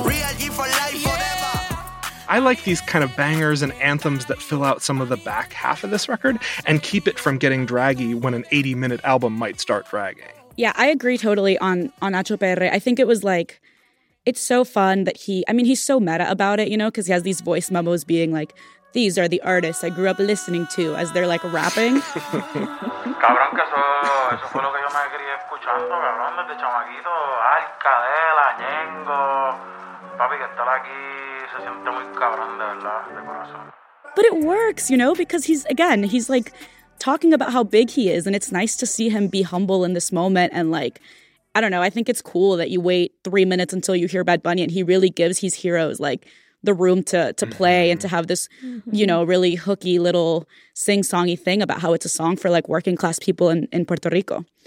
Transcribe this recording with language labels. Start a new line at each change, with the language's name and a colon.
English: I like these kind of bangers and anthems that fill out some of the back half of this record and keep it from getting draggy when an 80-minute album might start dragging. Yeah, I agree totally on Nacho Perre. I think it was like, it's so fun that he's so meta about it, you know, because he has these voice memos being like, these are the artists I grew up listening to as they're like rapping.
Spanish: Cabrón, que eso fue lo que yo me crié escuchando, cabrón, desde chamaquito. Arcadela, Ñengo. Papi, que estar aquí se siente muy cabrón, de verdad, de corazón.
English: But it works, you know, because he's like talking about how big he is, and it's nice to see him be humble in this moment. And like, I don't know, I think it's cool that you wait 3 minutes until you hear Bad Bunny, and he really gives his heroes like the room to play and to have this, you know, really hooky little sing-songy thing about how it's a song for like working class people in Puerto Rico.